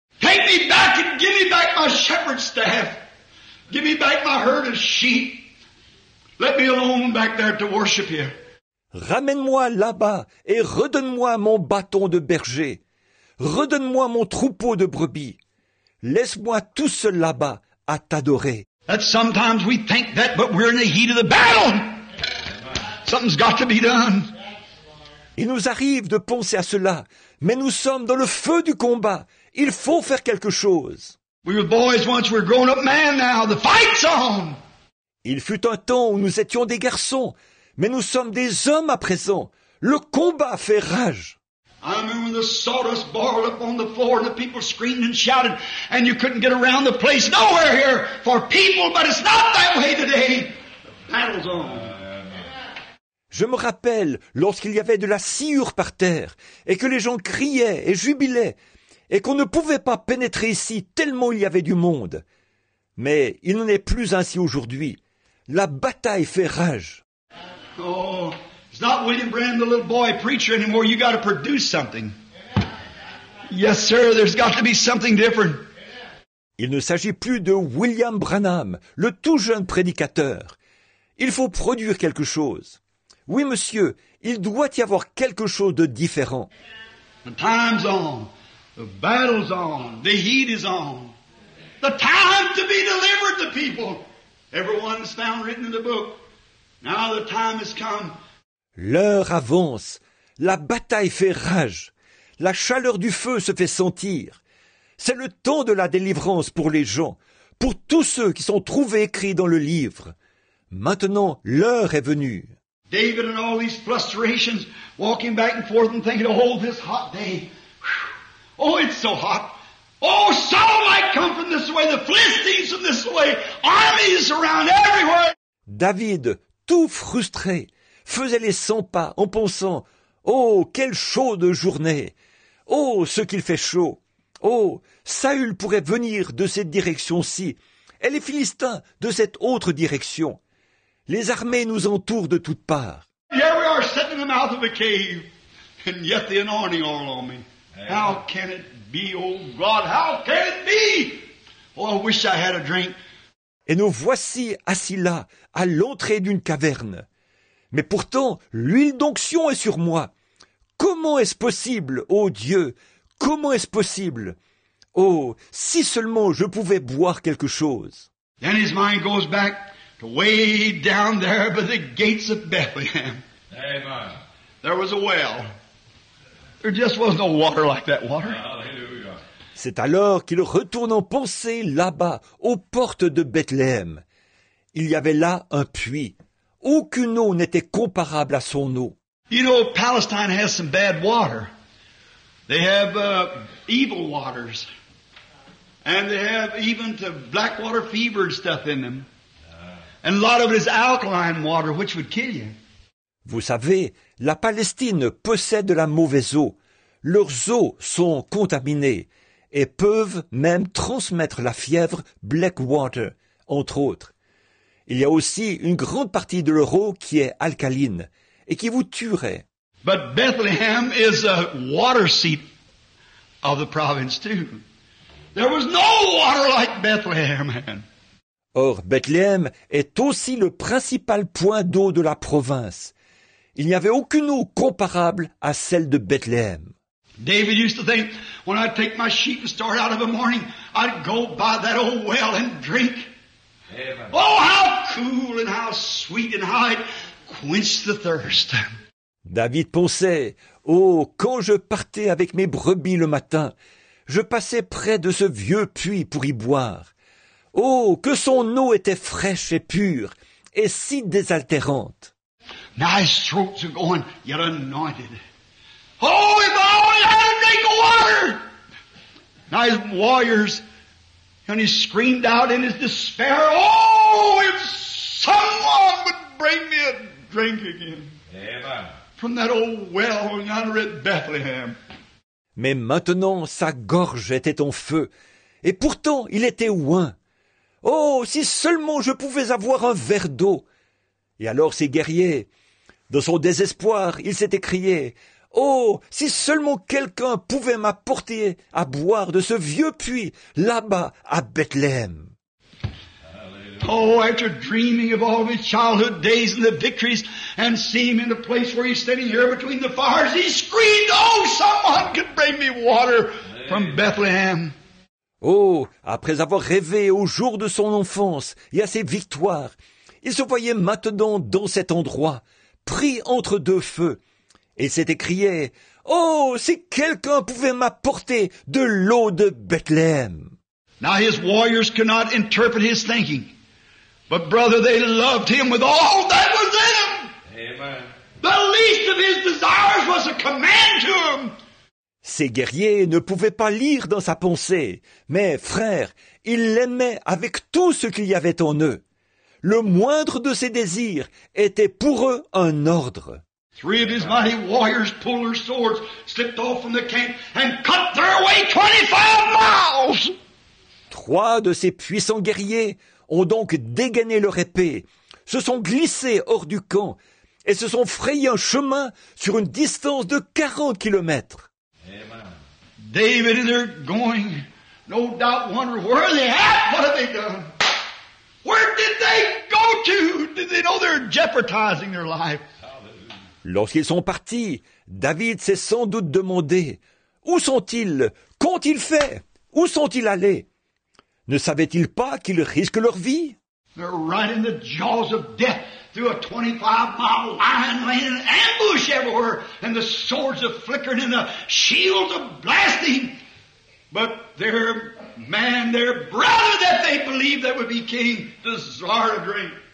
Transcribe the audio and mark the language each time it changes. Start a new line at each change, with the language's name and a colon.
English: Take me back and give me back my shepherd's staff. Give me back my herd of sheep. Let me alone back there to worship you.
French: Ramène-moi là-bas et redonne-moi mon bâton de berger. Redonne-moi mon troupeau de brebis. Laisse-moi tout seul là-bas à t'adorer.
English: That sometimes we think that, but we're in the heat of the battle. Something's got to be done.
French: Il nous arrive de penser à cela, mais nous sommes dans le feu du combat. Il faut faire quelque chose.
English: We were boys once, we're grown up man now. The fight's on.
French: Il fut un temps où nous étions des garçons, mais nous sommes des hommes à présent. Le combat fait rage.
English: I remember when the sawdust boiled up on the floor and the people screamed and shouted and you couldn't get around the place nowhere here for people, but it's not that way today. The battle's on.
French: Je me rappelle lorsqu'il y avait de la sciure par terre et que les gens criaient et jubilaient et qu'on ne pouvait pas pénétrer ici tellement il y avait du monde. Mais il n'en est plus ainsi aujourd'hui. La bataille fait rage.
English: Oh, it's not William Branham, the little boy preacher anymore. You got to produce something. Yes, sir, there's got to be something different.
French: Il ne s'agit plus de William Branham, le tout jeune prédicateur. Il faut produire quelque chose. Oui, monsieur, il doit y avoir quelque chose de différent.
English: The time's on. The battle's on. The heat is on. The time to be delivered to people. Everyone's found written in the book. Now the time has come.
French: L'heure avance. La bataille fait rage. La chaleur du feu se fait sentir. C'est le temps de la délivrance pour les gens, pour tous ceux qui sont trouvés écrits dans le livre. Maintenant, l'heure est venue.
English: David and all these frustrations, walking back and forth and thinking, oh, this hot day. Oh, it's so hot. Oh, Saul might come from this way. The Philistines from this way. Armies around everywhere.
French: David, tout frustré, faisait les 100 pas en pensant, oh, quelle chaude journée. Oh, ce qu'il fait chaud. Oh, Saül pourrait venir de cette direction-ci. Et les Philistins de cette autre direction. Les armées nous entourent de toutes parts.
English: Here we are sitting in the mouth of a cave, and yet the anointing all on me. How can it be, oh God, how can it be? Oh, I wish I had a drink.
French: Et nous voici assis là, à l'entrée d'une caverne. Mais pourtant, l'huile d'onction est sur moi. Comment est-ce possible, oh Dieu, comment est-ce possible? Oh, si seulement je pouvais boire quelque chose.
English: Then his mind goes back. Way down there by the gates of Bethlehem. Amen. There was a well. There just was no water like that water. Hallelujah.
French: C'est alors qu'il retourne en pensée là-bas, aux portes de Bethléem. Il y avait là un puits. Aucune eau n'était comparable à son eau.
English: You know, Palestine has some bad water. They have evil waters. And they have even to black water fever and stuff in them. And a lot of it is alkaline water, which would kill you.
French: Vous savez, la Palestine possède de la mauvaise eau. Leurs eaux sont contaminées et peuvent même transmettre la fièvre black water, entre autres. Il y a aussi une grande partie de leur eau qui est alcaline et qui vous tuerait.
English: But Bethlehem is a water seat of the province too. There was no water like Bethlehem, man.
French: Or, Bethléem est aussi le principal point d'eau de la province. Il n'y avait aucune eau comparable à celle de Bethléem.
English: David used to think, when I'd take my sheep and start out of the morning, I'd go by that old well and drink. Heaven. Oh, how cool and how sweet and how it quenched the thirst.
French: David pensait, oh, quand je partais avec mes brebis le matin, je passais près de ce vieux puits pour y boire. Oh, que son eau était fraîche et pure, et si désaltérante.
English: My throats are going, yet anointed. Oh, if I only had a drink of water! Now his warriors, and he screamed out in his despair, oh, if someone would bring me a drink again. Amen. From that old well yonder at Bethlehem.
French: Mais maintenant, sa gorge était en feu, et pourtant, il était oint. Oh, si seulement je pouvais avoir un verre d'eau! Et alors ses guerriers, dans son désespoir, ils s'étaient criés, oh, si seulement quelqu'un pouvait m'apporter à boire de ce vieux puits, là-bas, à Bethléem.
English: Oh, after dreaming of all his childhood days and the victories, and seeing him in the place where he's standing here between the fires, he screamed, oh, someone could bring me water from Bethlehem.
French: Oh, après avoir rêvé au jour de son enfance et à ses victoires, il se voyait maintenant dans cet endroit, pris entre deux feux. Il s'était crié, oh, si quelqu'un pouvait m'apporter de l'eau de Bethléem.
English: Now his warriors could not interpret his thinking. But brother, they loved him with all that was in him. Amen. The least of his desires was a command to him.
French: Ses guerriers ne pouvaient pas lire dans sa pensée, mais frère, il l'aimait avec tout ce qu'il y avait en eux. Le moindre de ses désirs était pour eux un ordre.
English: Three of his mighty warriors pulled their swords, slipped off from the camp, and cut their way 25 miles.
French: Trois de ses puissants guerriers ont donc dégainé leur épée, se sont glissés hors du camp et se sont frayés un chemin sur une distance de 40 kilomètres.
English: Amen. David and they're going, no doubt wondering, where are they at? What have they done? Where did they go to? Did they know they're jeopardizing their life?
French: Lorsqu'ils sont partis, David s'est sans doute demandé, où sont-ils? Qu'ont-ils fait? Où sont-ils allés? Ne savaient-ils pas qu'ils risquent leur vie?
English: They're right in the jaws of death. Through a 25-mile line laying in ambush everywhere, and the swords are flickering and the shields are blasting. But their man, their brother that they believed that would be king, desired a drink.